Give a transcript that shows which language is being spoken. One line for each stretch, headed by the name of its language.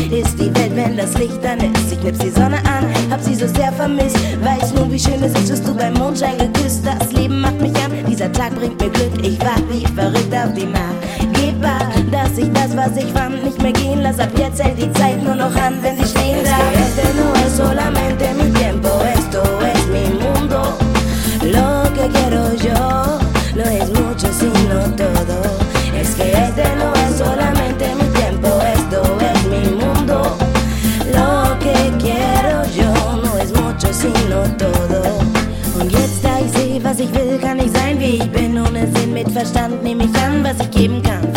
German: Ist die Welt, wenn das Licht an ist, ich knipp's die Sonne an, hab sie so sehr vermisst. Weiß nun, wie schön es ist, wirst du beim Mondschein geküsst. Das Leben macht mich an, dieser Tag bringt mir Glück. Ich wach wie verrückt auf die Nacht. Dass ich das, was ich fand, nicht mehr gehen lass. Ab jetzt hält die Zeit nur noch an, wenn sie stehen darf.
Spanish: Es que este no es solamente mi tiempo. Esto es mi mundo. Lo que quiero yo no es mucho, sino todo. Es que este no es solamente mi tiempo. Esto es mi mundo. Lo que quiero yo no es mucho, sino todo.
German: Und jetzt, da ich seh, was ich will, kann ich sein, wie ich bin. Ohne Sinn, mit Verstand nehm ich an, was ich geben kann.